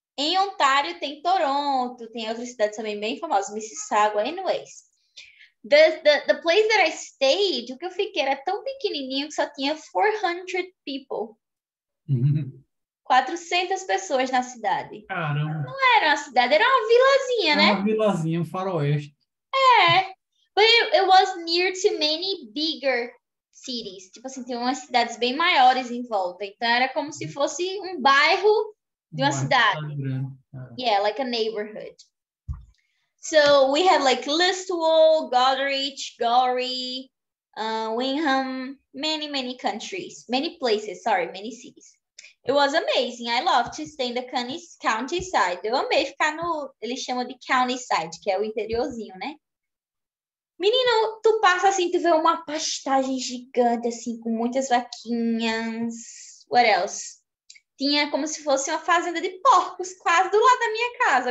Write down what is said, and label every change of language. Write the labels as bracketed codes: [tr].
[pt] Em Ontário tem Toronto, tem outras cidades também bem famosas, Mississauga, anyways. [en] The place that I stayed, [pt] o que eu fiquei era tão pequenininho que só tinha 400 people. 400 pessoas na cidade. Caramba. Não era uma cidade, era uma vilazinha, né? Uma vilazinha, um faroeste. É. [en] But it was near to many bigger cities. [pt] Tipo assim, tem umas cidades bem maiores em volta. Então era como se fosse um bairro de uma cidade. [en] Yeah, like a neighborhood. So we had like Listowel, Goderich, Goree, Wingham, many, many countries, many places, sorry, many cities. It was amazing. I love to stay in the county side. [pt] Eu amei ficar no, eles chamam de county side, que é o interiorzinho, né? Menino, tu passa assim, tu vê uma pastagem gigante, assim, com muitas vaquinhas. [en] What else? [pt] Tinha como se fosse uma fazenda de porcos quase do lado da minha casa.